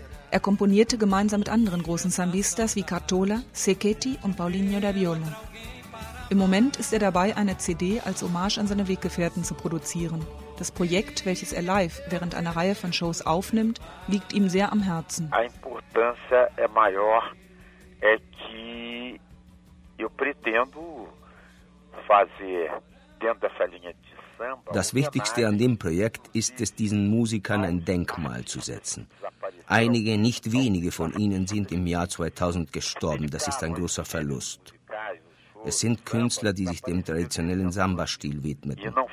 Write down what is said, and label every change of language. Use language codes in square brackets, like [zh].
[de] Er komponierte gemeinsam mit anderen großen Sambistas wie Cartola, Sechetti und Paulinho da Viola. Im Moment ist er dabei, eine CD als Hommage an seine Weggefährten zu produzieren. Das Projekt, welches er live während einer Reihe von Shows aufnimmt, liegt ihm sehr am Herzen. [pt] A importância é maior, é que eu pretendo fazer dentro dessa linha de... [de] Das Wichtigste an dem Projekt ist es, diesen Musikern ein Denkmal zu setzen. Einige, nicht wenige von ihnen sind im Jahr 2000 gestorben. Das ist ein großer Verlust. Es sind Künstler, die sich dem traditionellen Samba-Stil widmeten.